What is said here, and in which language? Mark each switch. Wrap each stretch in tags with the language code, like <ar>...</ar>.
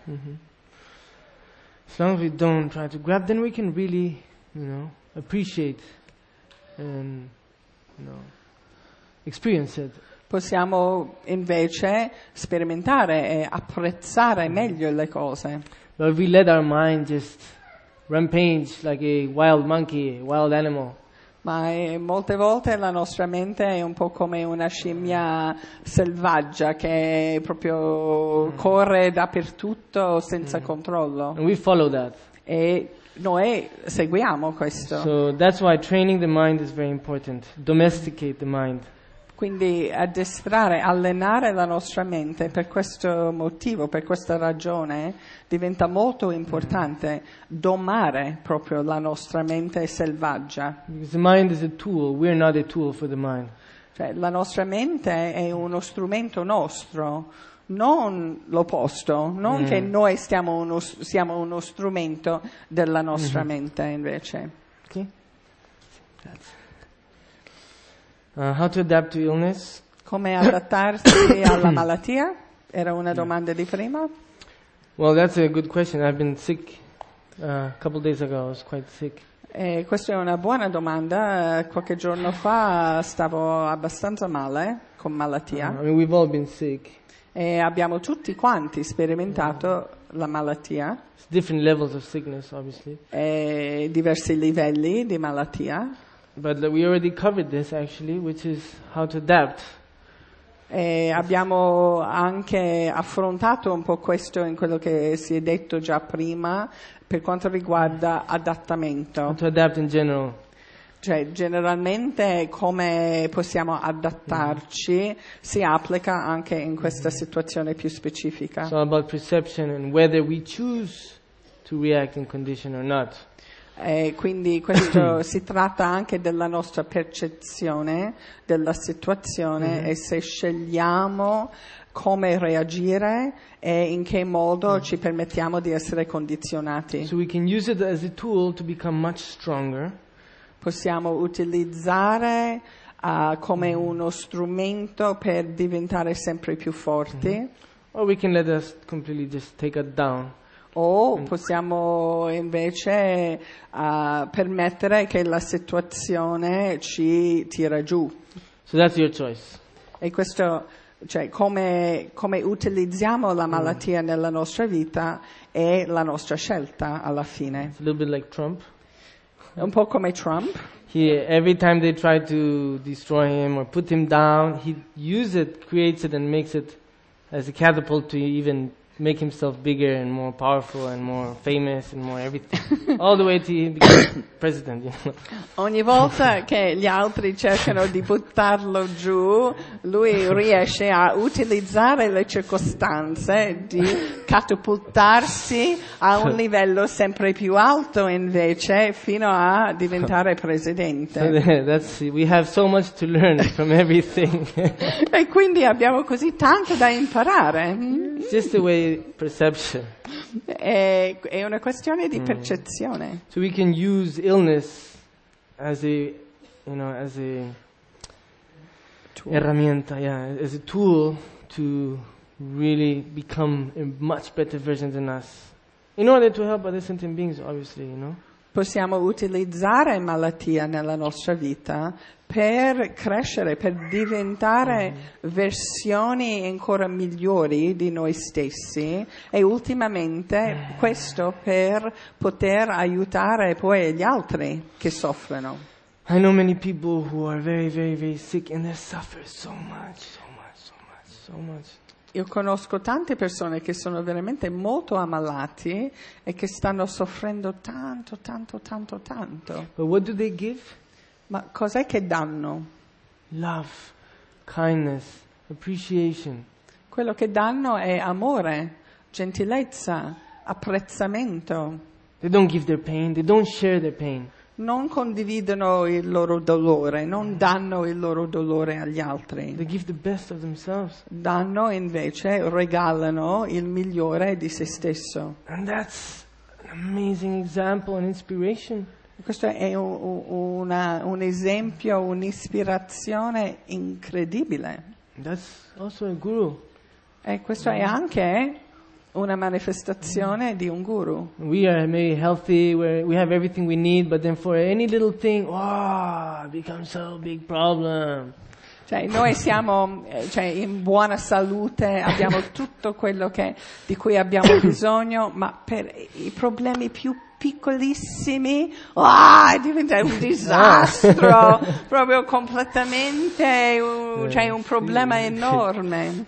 <en>Mm-hmm. As long as we don't try to grab, then we can really, you know, appreciate and, you know, experience it.</en> <it>Possiamo invece sperimentare e apprezzare meglio le cose.</it> <en>But if we let our mind just rampage like a wild monkey, wild animal.</en> <it>Ma molte volte la nostra mente è un po' come una scimmia selvaggia che proprio corre dappertutto senza controllo.</it> <en>And we follow that.</en> <it>E noi seguiamo questo.</it> <en>So that's why training the mind is very important. Domesticate the mind.</en> <it>Quindi addestrare, allenare la nostra mente per questo motivo, per questa ragione, diventa molto importante domare proprio la nostra mente selvaggia.</it> <en>The mind is a tool, we're not a tool for the mind.</en> <it>Cioè, la nostra mente è uno strumento nostro, non l'opposto, non che noi siamo uno strumento della nostra mente invece.</it> <en>Ok?</en> <it>Grazie.</it> <en>How to adapt to illness?</en> <it>Come adattarsi alla malattia? Era una domanda di prima.</it> <en>Well, that's a good question. I've been sick a couple days ago. I was quite sick.</en> <it>E questa è una buona domanda. Qualche giorno fa stavo abbastanza male con malattia.</it> <en>I mean, we've all been sick.</en> <it>E abbiamo tutti quanti sperimentato la malattia.</it> <en>It's different levels of sickness, obviously.</en> <it>E diversi livelli di malattia.</it> <en>But we already covered this actually, which is how to adapt.</en> <it>E abbiamo anche affrontato un po' questo in quello che si è detto già prima per quanto riguarda adattamento.</it> <en>How to adapt in general.</en> <it>Cioè, generalmente come possiamo adattarci si applica anche in questa situazione più specifica.</it> <en>It's all about perception and whether we choose to react in condition or not.</en> <it>E quindi questo si tratta anche della nostra percezione della situazione e se scegliamo come reagire e in che modo ci permettiamo di essere condizionati.</it> <en>So we can use it as a tool to become much stronger.</en> <it>Possiamo utilizzare come uno strumento per diventare sempre più forti.</it> <en>Or we can let us completely just take it down.</en> <it>O possiamo invece permettere che la situazione ci tira giù.</it> <en>So that's your choice.</en> <it>E questo, cioè, come utilizziamo la malattia nella nostra vita è la nostra scelta alla fine.</it> <en>It's a little bit like Trump.</en> <it>È un po' come Trump.</it> <en>He, every time they try to destroy him or put him down, he uses it, creates it and makes it as a catapult to even make himself bigger and more powerful and more famous and more everything. All the way to become president, you know.</en> <it>Ogni volta che gli altri cercano di buttarlo giù, lui riesce a utilizzare le circostanze di catapultarsi a un livello sempre più alto invece, fino a diventare presidente.</it> <en>We have so much to learn from everything.</en> <it>E quindi abbiamo così tanto da imparare.</it> <en>Just the way perception.</en> <it>È una questione di percezione.</it> <en>So we can use illness as a, you know, as a tool.</en> <es>Herramienta,</es> <en>yeah, as a tool to really become a much better version than us. In order to help other sentient beings, obviously, you know.</en> <it>Possiamo utilizzare malattia nella nostra vita per crescere, per diventare versioni ancora migliori di noi stessi e ultimamente questo per poter aiutare poi gli altri che soffrono.</it> <en>I know many people who are very, very, very sick and they suffer so much, so much, so much, so much.</en> <it>Io conosco tante persone che sono veramente molto ammalati e che stanno soffrendo tanto, tanto, tanto, tanto.</it> <en>But what do they give?</en> <it>Ma cos'è che danno?</it> <en>Love, kindness, appreciation.</en> <it>Quello che danno è amore, gentilezza, apprezzamento.</it> <en>They don't give their pain, they don't share their pain.</en> <it>Non condividono il loro dolore, non danno il loro dolore agli altri.</it> <en>They give the best of themselves.</en> <it>Danno invece, regalano il migliore di se stesso.</it> <en>And that's an amazing example and inspiration.</en> <it>Questo è un esempio, un'ispirazione incredibile.</it> <en>That's also a guru.</en> <it>E questo è anche una manifestazione di un guru.</it> <en>We are maybe healthy, we have everything we need, but then for any little thing, becomes so big problem.</en> <it>Cioè, noi siamo in buona salute, abbiamo tutto quello che di cui abbiamo bisogno, ma per i problemi più piccolissimi, diventa un disastro, proprio completamente, un problema enorme.</it>